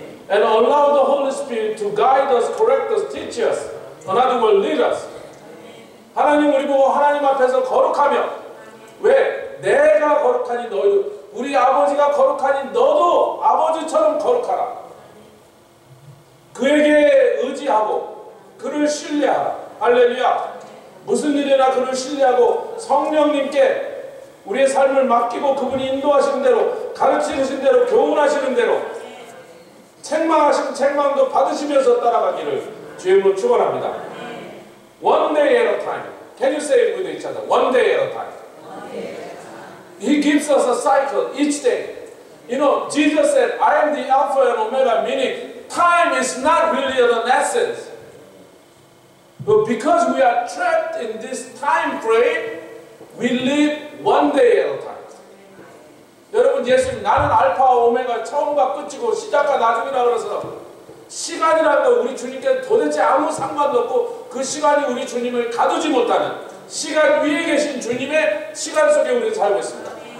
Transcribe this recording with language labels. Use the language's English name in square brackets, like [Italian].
[English] And allow the Holy Spirit to guide us, correct us, teach us. Another word, lead us. [Korean] 하나님 우리 보고 하나님 앞에서 거룩하며 왜? 내가 거룩하니 너희도 우리 아버지가 거룩하니 너도 아버지처럼 거룩하라. 그에게 의지하고 그를 신뢰하라. 할렐루야. 무슨 일이나 그를 신뢰하고 성령님께 우리의 삶을 맡기고 그분이 인도하시는 대로 가르치시는 대로 교훈하시는 대로 책망하신 책망도 받으시면서 따라가기를 주의 이름으로 축원합니다. [English] One day at a time. Can you say it with each other? One day at a time. He gives us a cycle each day. You know, Jesus said, I am the Alpha and Omega, meaning time is not really an essence. But because we are trapped in this time frame, we live one day at a time. [Korean] 여러분, 예수님, 나는 알파와 오메가 처음과 끝이고 시작과 나중이라 그래서 시간이라는 거 우리 주님께 도대체 아무 상관도 없고 그 시간이 우리 주님을 가두지 못하는 시간 위에 계신 주님의 시간 속에 우리 살고 있습니다.